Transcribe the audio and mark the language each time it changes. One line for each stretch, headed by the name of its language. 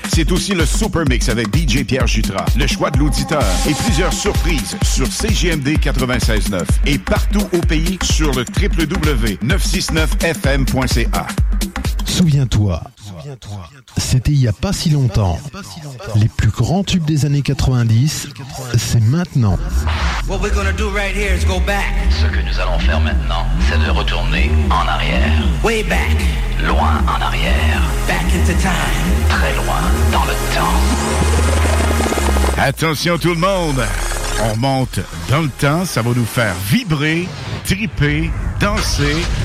French: C'est aussi le Super Mix avec DJ Pierre Jutra, le choix de l'auditeur et plusieurs surprises sur CGMD 96.9 et partout au pays sur le www.969fm.ca. Souviens-toi, c'était il n'y a pas si longtemps. Les plus grands tubes des années 90, c'est maintenant.
English: What we're gonna do right here is go back.
French: Ce que nous allons faire maintenant, c'est de retourner en arrière.
English: Way back.
French: Loin en arrière.
English: Back into time.
French: Très loin dans le temps. Attention tout le monde, on monte dans le temps, ça va nous faire vibrer, triper, danser.